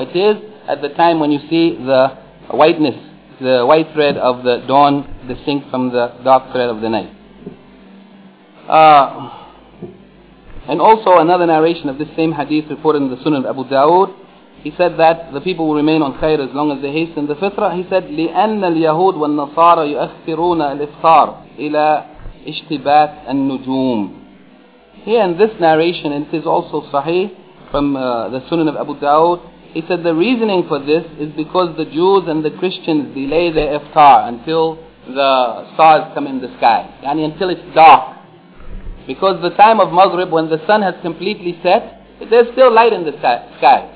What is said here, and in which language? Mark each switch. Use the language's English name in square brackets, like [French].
[English] It is at the time when you see the whiteness, the white thread of the dawn distinct from the dark thread of the night. And also another narration of this same hadith reported in the Sunan of Abu Dawud, he said that the people will remain on khair as long as they hasten the fitrah. [Arabic] He said, لِأَنَّ الْيَهُودُ وَالنَّصَارَ يُؤَخِّرُونَ الْإِفْطَارَ إِلَىٰ اِشْتِبَاتِ النُّجُومِ. [English] Here in this narration, and it is also sahih from the Sunan of Abu Dawud, he said the reasoning for this is because the Jews and the Christians delay their iftar until the stars come in the sky, yani until it's dark. Because the time of Maghrib, when the sun has completely set, there's still light in the sky.